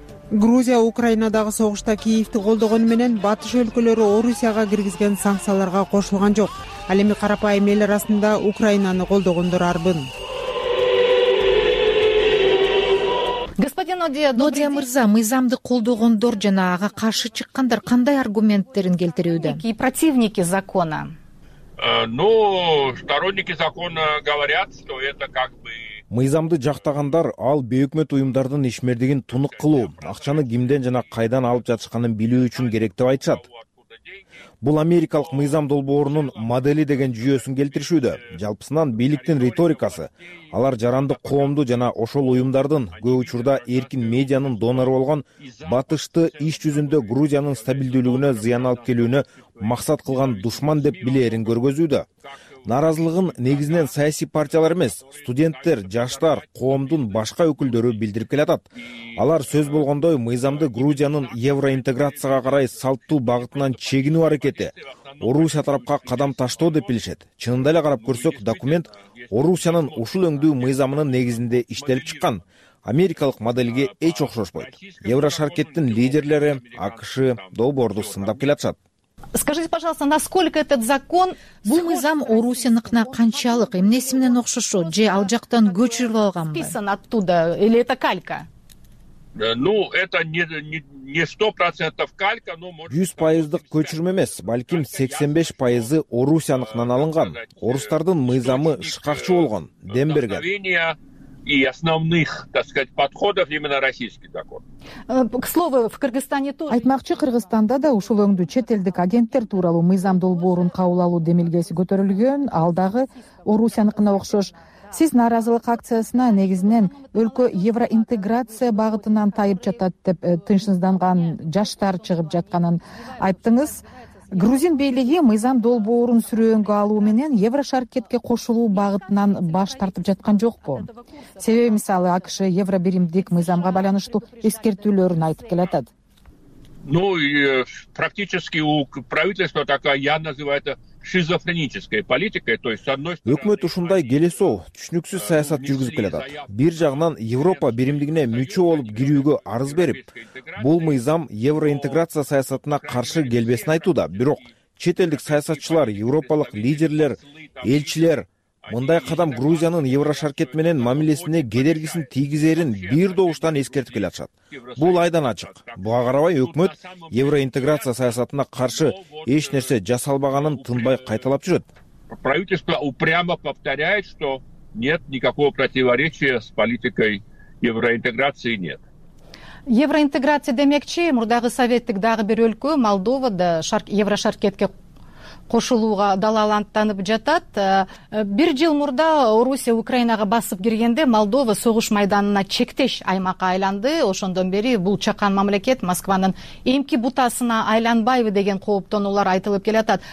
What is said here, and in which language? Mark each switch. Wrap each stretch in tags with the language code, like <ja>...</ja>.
<ky>Грузия Украинадагы согушта Киевти колдогону менен батыш өлкөлөрү Орусияга киргизген санкцияларга кошулган жок. Ал эми карапайым эл арасында Украинаны колдогондор арбын.</ky> <ru>Господин</ru> <ky>Нодия мырза, мыйзамды колдогондор жана ага каршы чыккандар кандай аргументтерин келтирүүдө?</ky> <ru>И противники закона. Сторонники закона говорят, что это как бы</ru> <ky>мыйзамды жактагандар ал бейөкмөт уюмдардын ишмердигин тунук кылуу, акчаны кимден жана кайдан алып жатышканын билүү үчүн керек деп айтышат. Бул америкалык мыйзам долбоорунун модели деген жүйөсүн келтиришүүдө. Жалпысынан бийликтин риторикасы алар жарандык коомду жана ошол уюмдардын көп учурда эркин медианын донору болгон батышты иш жүзүндө Грузиянын стабилдүүлүгүнө зыян алып келүүнү максат кылган душман деп билээрин көргөзүүдө. Нааразылыгын негизинен саясий партиялар эмес, студенттер, жаштар, коомдун башка өкүлдөрү билдирип келатат. Алар сөз болгондой мыйзамды Грузиянын евроинтеграцияга карай салттуу багытынан чегинүү аракети, Орусия тарапка кадам таштоо деп билишет. Чынында эле карап көрсөк, документ Орусиянын ушул өңдүү мыйзамынын негизинде иштелип чыккан. Америкалык моделге эч окшошпойт. Еврошаркеттин лидерлери АКШ долбоорду сындап келатышат.</ky> <ru>Скажите, пожалуйста, насколько этот закон...</ru> <ky>Бул мыйзам Орусиянкына канчалык, эмнеси менен окшошо, же ал жактан көчүрүлүп алганбы?</ky> <ru>Писан оттуда, или это калька? Ну, это не 100% калька, но может...</ru> <ky>100% көчүрмө эмес, балким 85% Орусиянкынан алынган. Орустардын мыйзамы шыкакчы болгон, дем берген.</ky> <ru>И основных, так сказать, подходов именно российский закон. К слову, в Кыргызстане тоже...</ru> <ky>Айтмакчы, Кыргызстанда да ушул өңдү чет элдик агенттер тууралуу мыйзам долбоорун кабыл алуу демилгеси көтөрүлгөн, алдагы Орусиянкына окшош. Сиз нааразылык акциясына негизинен өлкө евроинтеграция багытынан тайып жатат деп тынчсызданган жаштар чыгып жатканын айттыңыз. Грузин бийлиги мыйзам долбоорун сүрөнгө алуу менен Еврошаркетке кошулуу багытынан баш тартып жаткан жокпу? Себеби мисалы АКШ евробиримдик мыйзамга байланыштуу эскертүүлөрүн айтып келатат.</ky> <ru>Ну, практически у правительства такая, я называю это шизофреническая политика, то есть с одной стороны.</ru> <ky>Өкмөт ушундай келесоо, түшүнүксүз саясат жүргүзүп келатат. Бир жагынан Европа биримдигине мүчө болуп кирүүгө арыз берип, бул мыйзам евроинтеграция саясатына каршы келбесин айтууда. Бирок чет элдик саясатчылар, европалык лидерлер, элчилер мындай кадам Грузиянын Еврошаркет менен мамилесине кедергисин тийгизерин бир добуштан эскертип келатышат. Бул айдан ачык. Буга карабай өкмөт евроинтеграция саясатына каршы эч нерсе жасалбаганын тынбай кайталап жүрөт.</ky> <ru>Правительство упрямо повторяет, что нет никакого противоречия с политикой евроинтеграции нет.</ru> <ky>Евроинтеграция демекчи, мурдагы советтик дагы бир өлкө Молдова да Еврошаркетке кошулууга далаалданып жатат. Бир жыл мурда Орусия Украинага басып киргенде Молдова согуш майданына чектеш аймакка айланды. Ошондон бери бул чакан мамлекет Москванын эмки бутасына айланбайбы деген кооптонуулар айтылып келатат.</ky>